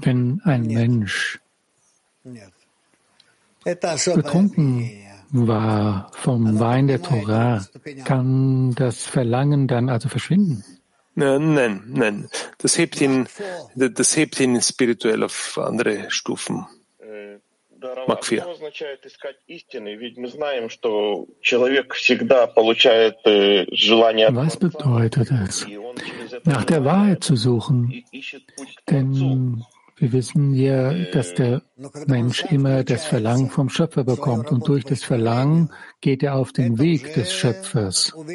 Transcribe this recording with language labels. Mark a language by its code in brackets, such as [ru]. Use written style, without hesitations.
[de] Wenn ein Mensch betrunken war vom Wein der Tora, kann das Verlangen dann also verschwinden? Nein. Das hebt ihn spirituell auf andere Stufen. Макфир. [ru] Что означает искать истины? Ведь мы знаем, что человек всегда получает желание. [de] Was bedeutet es, nach der Wahrheit zu suchen? Denn wir wissen ja, dass der Mensch immer das Verlangen vom Schöpfer bekommt und durch das Verlangen geht er auf den Weg des Schöpfers.